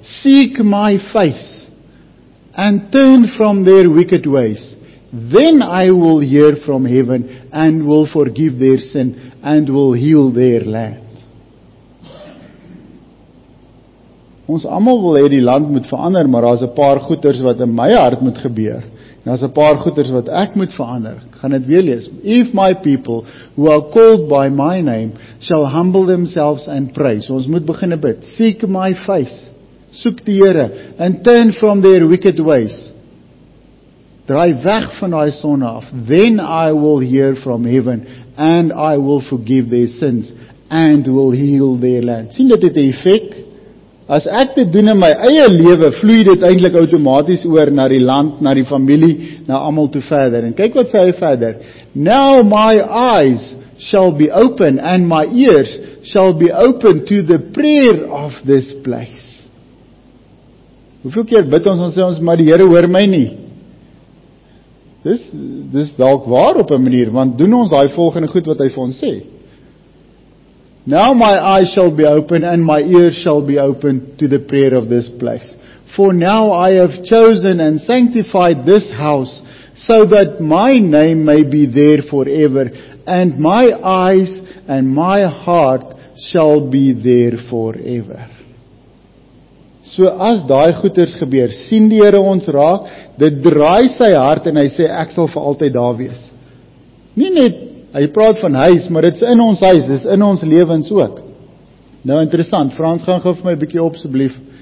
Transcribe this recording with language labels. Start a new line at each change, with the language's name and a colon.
English: Seek my face and turn from their wicked ways. Then I will hear from heaven and will forgive their sin and will heal their land.
Afrikaans: Ons allemaal wil hê die land moet verander, maar daar is 'n paar goeders wat in my hart moet gebeur. En daar is 'n paar goeders wat ek moet verander. Ek gaan dit weer lees.
English: If my people who are called by my name shall humble themselves and pray.
Afrikaans: So ons moet begin bid.
English: Seek my face.
Afrikaans: Soek die Here
English: and turn from their wicked ways.
Afrikaans: Draai weg van daai sonde af.
English: Then I will hear from heaven and I will forgive their sins and will heal their land.
Afrikaans: Sien dat dit 'n effek? As ek dit doen in my eie lewe, vloei dit eintlik outomaties oor na die land, na die familie, na almal toe verder. En kyk wat sê hy verder.
English: Now my eyes shall be open and my ears shall be open to the prayer of this place.
Afrikaans: Hoeveel keer bid ons en sê ons, maar die Here hoor my nie? Dis dalk waar op 'n manier, want doen ons daai volgende goed wat hy vir ons sê.
English: Now my eyes shall be open and my ears shall be open to the prayer of this place. For now I have chosen and sanctified this house so that my name may be there forever and my eyes and my heart shall be there forever.
Afrikaans: So as daai goeders gebeur, sien die Here ons raak, dit draai sy hart en hy sê, ek sal vir altyd daar wees. Nie net, hy praat van huis, maar dit is in ons huis, dit is in ons lewens ook. Nou interessant, Frans gaan gou vir my 'n bietjie op asseblief.